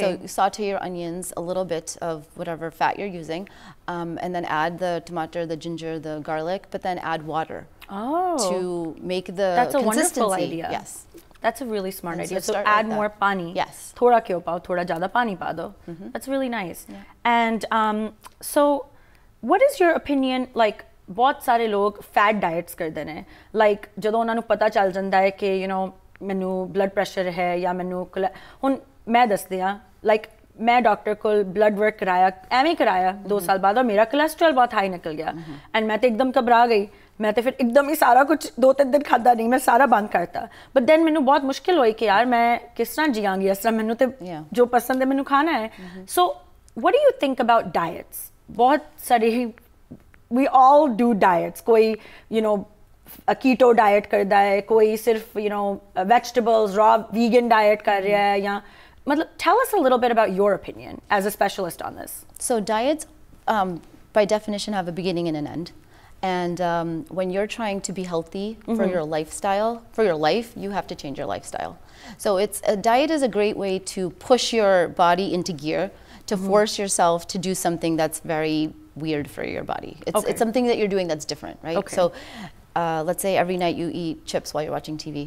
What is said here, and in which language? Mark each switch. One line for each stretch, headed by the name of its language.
English: so you saute your onions a little bit of whatever fat you're using and then add the tomato the ginger the garlic but then add water to make the that's a consistency. Wonderful idea yes That's a really smart and idea. So add like more pani. Yes.
Punjabi: Thoda kyo pao, thoda jyada pani pa do.
English: That's really nice. Yeah. And so what is your opinion like
Punjabi: ਬਹੁਤ ਸਾਰੇ ਲੋਕ fat diets ਕਰਦੇ ਨੇ like ਜਦੋਂ ਉਹਨਾਂ ਨੂੰ ਪਤਾ ਚੱਲ ਜਾਂਦਾ ਹੈ ਕਿ ਯੂ ਨੋ ਮੈਨੂੰ ਬਲੱਡ ਪ੍ਰੈਸ਼ਰ ਹੈ ਜਾਂ ਮੈਨੂੰ ਹੁਣ ਮੈਂ ਦੱਸਦੀ ਹਾਂ ਲਾਈਕ ਮੈਂ ਡਾਕਟਰ ਕੋਲ ਬਲੱਡ ਵਰਕ ਕਰਾਇਆ ਐਵੇਂ ਕਰਾਇਆ ਦੋ ਸਾਲ ਬਾਅਦ ਔਰ ਮੇਰਾ ਕੋਲੈਸਟ੍ਰੋਲ ਬਹੁਤ ਹਾਈ ਨਿਕਲ ਗਿਆ ਐਂਡ ਮੈਂ ਤਾਂ ਇੱਕਦਮ ਘਬਰਾ ਗਈ ਮੈਂ ਤਾਂ ਫਿਰ ਇੱਕਦਮ ਹੀ ਸਾਰਾ ਕੁਛ ਦੋ ਤਿੰਨ ਦਿਨ ਖਾਧਾ ਨਹੀਂ ਮੈਂ ਸਾਰਾ ਬੰਦ ਕਰਤਾ ਬਟ ਦੈਨ ਮੈਨੂੰ ਬਹੁਤ ਮੁਸ਼ਕਿਲ ਹੋਈ ਕਿ ਯਾਰ ਮੈਂ ਕਿਸ ਤਰ੍ਹਾਂ ਜੀਆਂਗੀ ਇਸ ਤਰ੍ਹਾਂ ਮੈਨੂੰ ਤਾਂ ਜੋ ਪਸੰਦ ਹੈ ਮੈਨੂੰ ਖਾਣਾ ਹੈ
English: so what you think about diets
Punjabi: ਬਹੁਤ ਸਾਰੇ ਹੀ
English: we all do diets ਕੋਈ you know keto diet
Punjabi: ਕਰਦਾ ਹੈ ਕੋਈ ਸਿਰਫ
English: you know vegetables raw vegan diet
Punjabi: ਕਰ ਰਿਹਾ ਹੈ ਜਾਂ ਮਤਲਬ
English: Tell us a little bit about your opinion as a specialist on this so diets by definition have a beginning and an end And when you're trying to be healthy mm-hmm. for your lifestyle, for your life, you have to change your lifestyle. So it's a diet is a great way to push your body into gear, to mm-hmm. force yourself to do something that's very weird for your body. It's, okay. it's something that you're doing that's different, right? Okay. So let's say every night you eat chips while you're watching TV.